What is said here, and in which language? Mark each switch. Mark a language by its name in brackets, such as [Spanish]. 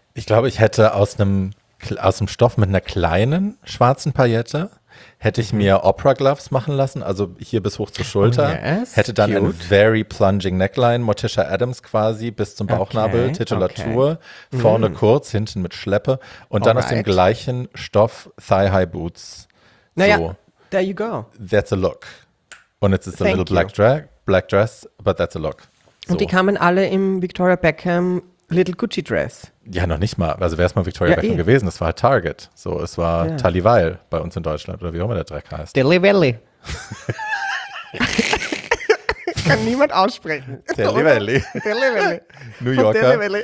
[German] Ich glaube, ich hätte aus einem Stoff mit einer kleinen schwarzen Paillette, hätte ich mir Opera-Gloves machen lassen, also hier bis hoch zur Schulter. Oh yes, hätte dann ein very plunging Neckline, Morticia Adams quasi, bis zum Bauchnabel, okay, Titulatur, okay. Vorne kurz, hinten mit Schleppe. Und dann aus dem gleichen Stoff Thigh-High Boots. [English] Naja, so. There you go. That's a look. Und it's a little black dress, but that's a look. [German] So. Und die kamen alle im Victoria Beckham Little Gucci Dress. Ja, noch nicht mal. Also wäre es mal Victoria Beckham gewesen. Das war halt Target. So, es war Tally Weil bei uns in Deutschland oder wie auch immer der Dreck heißt. Dilly Valley. Kann niemand aussprechen. Dilly Valley. Dilly Valley. New Yorker.